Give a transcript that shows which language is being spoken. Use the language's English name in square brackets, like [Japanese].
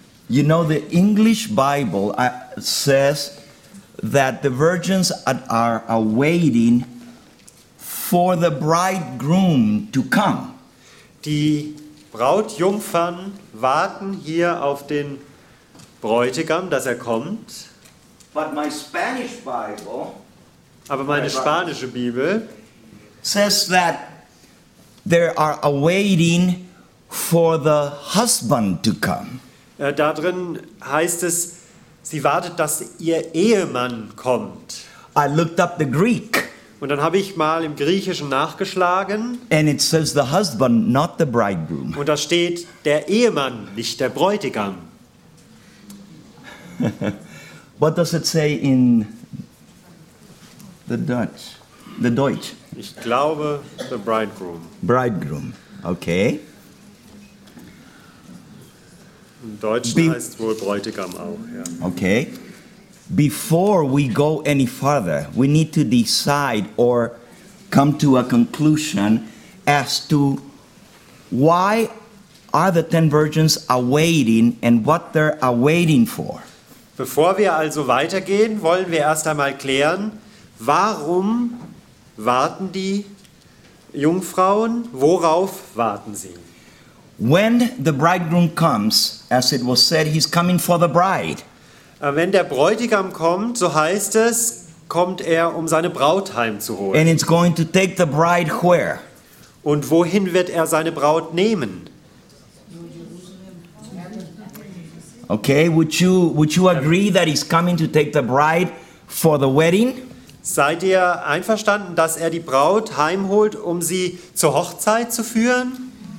[English] You know, the English Bible says that the virgins are awaiting for the bridegroom to come. [German] Die Brautjungfern warten hier auf den Bräutigam, dass er kommt. [English] But my Spanish Bible, [German] aber meine spanische Bibel [English] says that they are awaiting for the husband to come. [German] Da drin heißt es, sie wartet, dass ihr Ehemann kommt. [English] I looked up the Greek. [German] Und dann habe ich mal im Griechischen nachgeschlagen. [English] And it says the husband, not the bridegroom. [German] Und da steht der Ehemann, nicht der Bräutigam. [English] What does it say in the Dutch? The Deutsch. [German] Ich glaube, [English] the bridegroom. Bridegroom, okay. [German] Im Deutschen heißt wohl Bräutigam auch, ja. [English] Okay. Before we go any further, we need to decide or come to a conclusion as to why are the 10 virgins awaiting and what they're awaiting for. [German] Bevor wir also weitergehen, wollen wir erst einmal klären, warum warten die Jungfrauen, worauf warten sie? [English] When the bridegroom comes, as it was said, he's coming for the bride. [German] Wenn der Bräutigam kommt, so heißt es, kommt er, um seine Braut heimzuholen. [English] And it's going to take the bride where? [German] Und wohin wird er seine Braut nehmen? [English] Okay, would you agree that he's coming to take the bride for the wedding? [German] Seid ihr einverstanden, dass er die Braut heimholt, um sie zur Hochzeit zu führen?